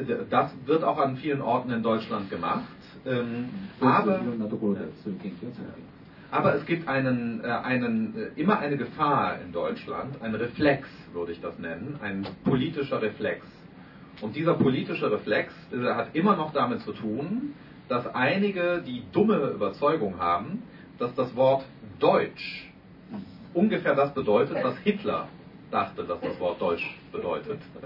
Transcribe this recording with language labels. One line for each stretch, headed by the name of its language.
German: Das wird auch an vielen Orten in Deutschland gemacht.
Japanese: いろんなところでそういう研究をされている。
German: Aber es gibt einen, immer eine Gefahr in Deutschland, ein Reflex, würde ich das nennen, ein politischer Reflex. Und dieser politische Reflex hat immer noch damit zu tun, dass einige die dumme Überzeugung haben, dass das Wort Deutsch ungefähr das bedeutet, was Hitler dachte, dass das Wort Deutsch bedeutet.